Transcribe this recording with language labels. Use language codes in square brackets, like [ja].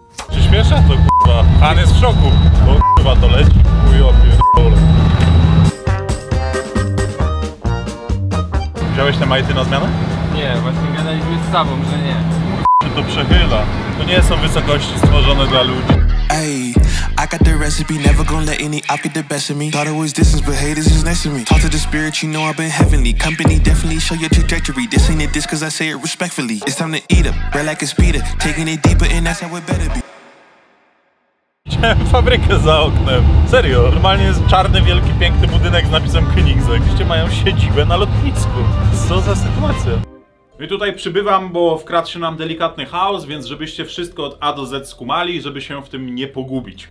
[pl] Przyspiesza to k***a, pan jest w szoku, bo k***a to leci, chujowie. Wziąłeś te majty na zmianę? Nie, właśnie gadaliśmy z sobą, że nie. K***a się to przechyla, to nie są wysokości stworzone dla ludzi. [en] Ej, I got the recipe, never gonna let any op get the best of me. Thought it was distance, but haters is next to me. Talk to the spirit, you know I've been heavenly. Company definitely show your trajectory. This ain't a diss, cause I say it respectfully. It's time to eat up, bread like a speeder. Taking it deeper and that's how it better be. [pl] Fabrykę za oknem. Serio, normalnie jest czarny, wielki, piękny budynek z napisem Koenigsegg. Gdzie mają siedzibę na lotnisku. Co za sytuacja. I tutaj przybywam, bo wkradł się nam delikatny chaos, więc żebyście wszystko od A do Z skumali, żeby się w tym nie pogubić.